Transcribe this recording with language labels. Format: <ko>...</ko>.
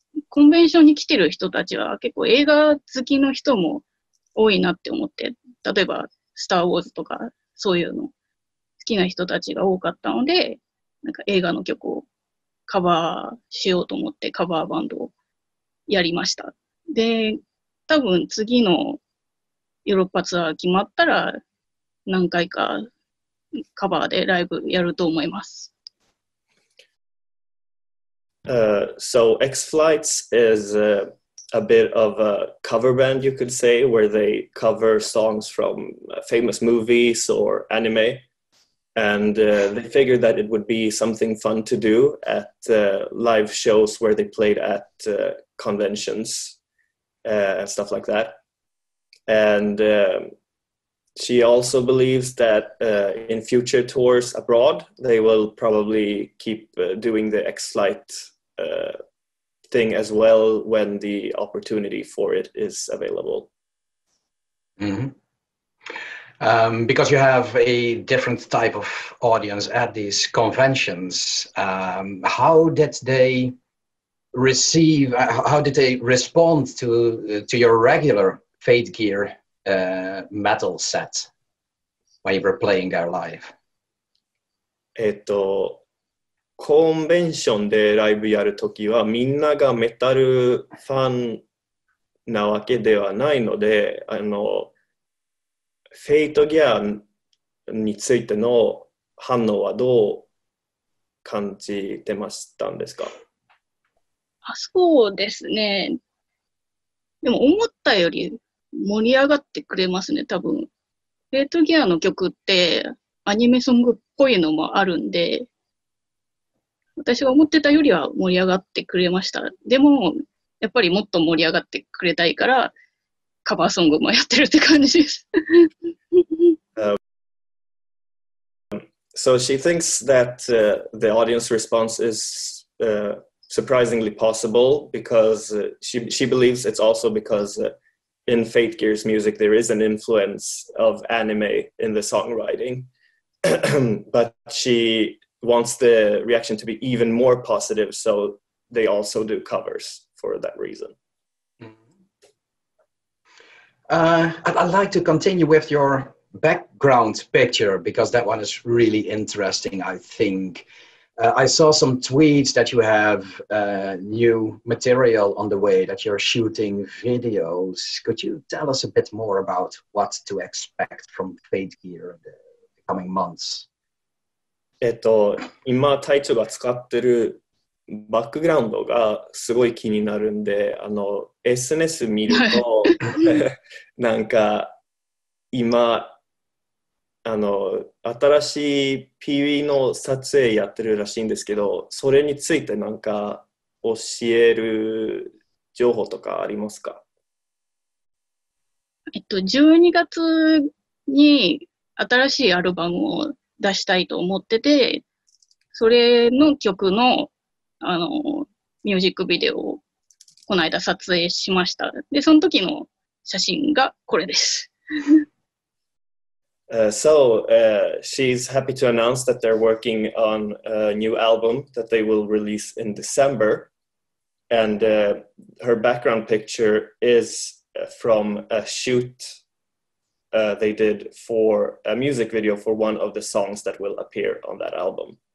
<ja>コンベンションに来てる人たちは結構映画好きの人も多いなって思って、例えばスターウォーズとかそういうの好きな人たちが多かったので、なんか映画の曲をカバーしようと思ってカバーバンドをやりました。で、多分次のヨーロッパツアー決まったら何回かカバーでライブやると思います。</ja> <en>So X-Flights is a bit of a cover band, you could say, where they cover songs from famous movies or anime. And they figured that it would be something fun to do at live shows where they played at conventions and stuff like that. And she also believes that in future tours abroad, they will probably keep doing the X-Flight thing as well when the opportunity for it is available. Mm-hmm. Because you have a different type of audience at these conventions, how did they receive, how did they respond to your regular Fate Gear metal set while you were playing there live?</en> <ja>コンベンションでライブやるときはみんながメタルファンなわけではないので、あのフェイトギアについての反応はどう感じてましたんですか？あ、そうですね、でも思ったより盛り上がってくれますね。多分フェイトギアの曲ってアニメソングっぽいのもあるんで、私が思ってたよりは盛り上がってくれました。でも、やっぱりもっと盛り上がってくれたいから、カバーソングもやってるって感じです。</ja> <en>So she thinks that the audience response is surprisingly possible because she believes it's also because in Fate Gear's music there is an influence of anime in the songwriting. But she... wants the reaction to be even more positive, so they also do covers for that reason. I'd like to continue with your background picture, because that one is really interesting, I think. I saw some tweets that you have new material on the way, that you're shooting videos. Could you tell us a bit more about what to expect from Fate Gear in the coming months?</en> <ja>今隊長が使ってるバックグラウンドがすごい気になるんで、あの SNS 見るとなんか今あの新しい PV の撮影やってるらしいんですけど、それについてなんか教える情報とかありますか？ 12月に新しいアルバムを出したいと思ってて、それの曲の、あのミュージックビデオをこの間撮影しました。で、その時の写真がこれです。</ja> <en>So she's happy to announce that they're working on a new album that they will release in December, and her background picture is from a shootthey did for a music video for one of the songs that will appear on that album.</en>